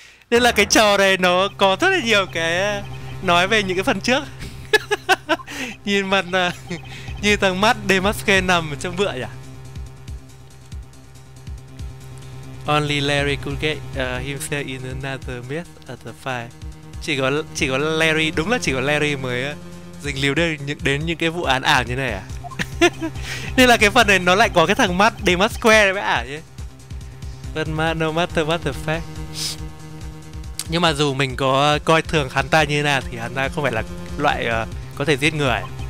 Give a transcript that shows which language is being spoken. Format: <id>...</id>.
<vi>Nên là cái trò này nó có rất là nhiều cái nói về những cái phần trước. Nhìn mặt như thằng Matt Dimasque nằm trong vựa nhỉ?</vi> <en>Only Larry could get himself in another mess at the fire.</en> <vi>Chỉ có Larry, đúng là chỉ có Larry mới dính líu đến những cái vụ án ảo như này à? Nên là cái phần này nó lại có cái thằng Matt Dimasque đấy mới ảo chứ.</vi> <en>But no matter what the fact.</en> <vi>Nhưng mà dù mình có coi thường hắn ta như thế nào thì hắn ta không phải là loại có thể giết người.</vi>